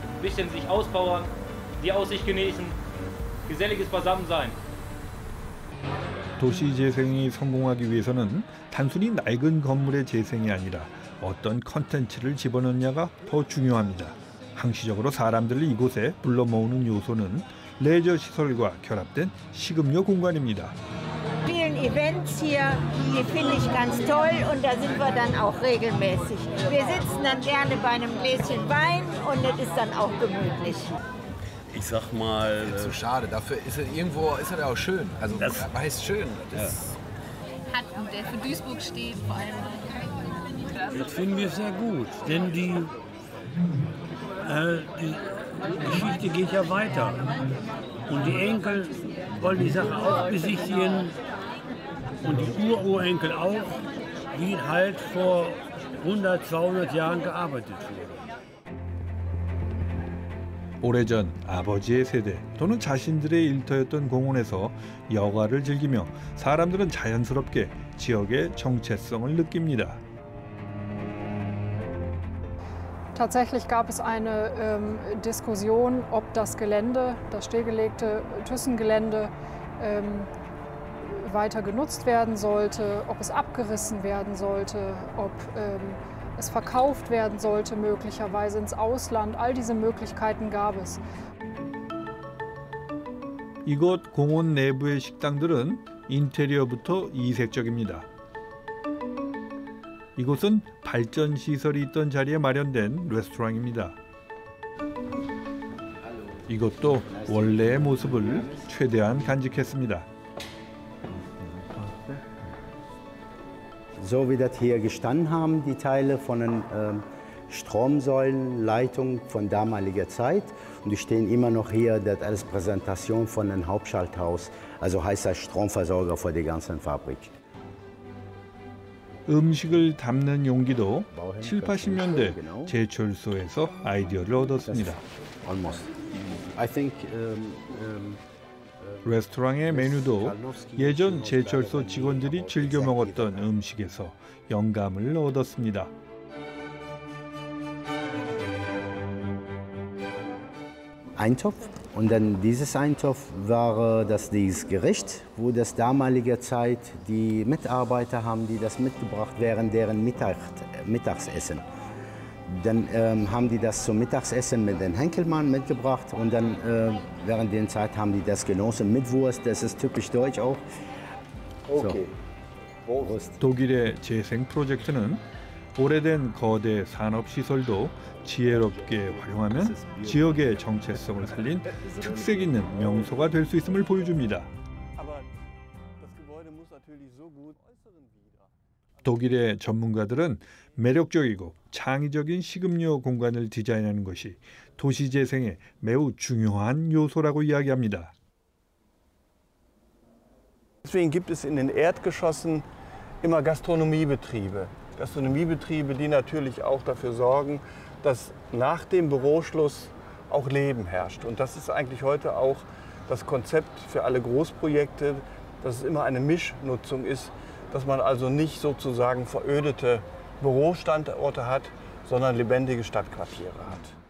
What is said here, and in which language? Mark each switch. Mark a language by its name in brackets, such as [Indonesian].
[German] Bisschen sich auspowern, die Aussicht genießen, geselliges Beisammensein. [Korean] 도시재생이 성공하기 위해서는 단순히 낡은 건물의 재생이 아니라 어떤 컨텐츠를 집어넣느냐가 더 중요합니다. 항시적으로 사람들을 이곳에 불러 모으는 요소는 레저 시설과 결합된 식음료 공간입니다. [German] Vielen Events hier, die finde ich ganz toll und da sind wir dann auch regelmäßig. Wir sitzen dann gerne bei einem Gläschen Wein und das ist dann auch gemütlich. Ich sag mal, zu schade, dafür ist er irgendwo ist er auch schön. Also das er weiß schön. Das ja. Hat der für Duisburg steht vor allem. Das finden wir sehr gut, denn die die Geschichte geht ja weiter. Und die Enkel wollen die Sache auch besichtigen. Und die Ururenkel auch, wie halt vor 100, 200 Jahren gearbeitet wurde. [Korean] 오래전 아버지의 세대 또는 자신들의 일터였던 공원에서 여가를 즐기며 사람들은 자연스럽게 지역의 정체성을 느낍니다. [German] Tatsächlich gab es eine Diskussion, ob das Gelände, das stillgelegte Thyssen-Gelände, weiter genutzt werden sollte, ob es abgerissen werden sollte, ob es verkauft werden sollte, möglicherweise ins Ausland. All diese Möglichkeiten gab es. [Korean] 이곳 공원 내부의 식당들은 인테리어부터 이색적입니다. 이곳은 발전 시설이 있던 자리에 마련된 레스토랑입니다. 이것도 원래의 모습을 최대한 간직했습니다. [German] So wie das hier gestanden haben, die Teile von den Stromsäulenleitungen von damaliger Zeit. Und die stehen immer noch hier, das als Präsentation von dem Hauptschalthaus, also heißt das Stromversorger für die ganze Fabrik. [Korean] 음식을 담는 용기도 70, 80년대 제철소에서 아이디어를 얻었습니다. [English] Almost. I think [Korean] 레스토랑의 메뉴도 예전 제철소 직원들이 즐겨 먹었던 음식에서 영감을 얻었습니다. [German] 엔토프 Und dann dieses Eintopf war das dieses Gericht, wo das damalige Zeit die Mitarbeiter haben, die das mitgebracht während deren Mittagessen. Dann haben die das zum Mittagessen mit den Henkelmann mitgebracht und dann während der Zeit haben die das genossen mit Wurst. Das ist typisch deutsch auch. So. Okay. Prost. [Korean] 독일의 재생 프로젝트는 오래된 거대 산업시설도 지혜롭게 활용하면 지역의 정체성을 살린 특색 있는 명소가 될 수 있음을 보여줍니다. 독일의 전문가들은 매력적이고 창의적인 식음료 공간을 디자인하는 것이 도시재생의 매우 중요한 요소라고 이야기합니다. [German] Deswegen gibt es in den Erdgeschossen immer Gastronomiebetriebe. Gastronomiebetriebe, die natürlich auch dafür sorgen, dass nach dem Büroschluss auch Leben herrscht. Und das ist eigentlich heute auch das Konzept für alle Großprojekte, dass es immer eine Mischnutzung ist, dass man also nicht sozusagen verödete Bürostandorte hat, sondern lebendige Stadtquartiere hat.